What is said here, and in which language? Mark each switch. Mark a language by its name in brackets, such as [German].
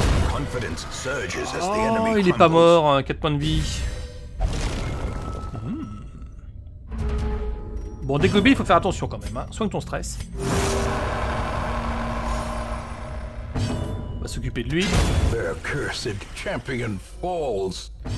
[English] Confidence surges as the enemy. [French] Oh, il est pas mort, 4 points de vie. Bon, des gobies, il faut faire attention quand même, hein. Soigne ton stress. va s'occuper de lui. [English] The accursed champion falls.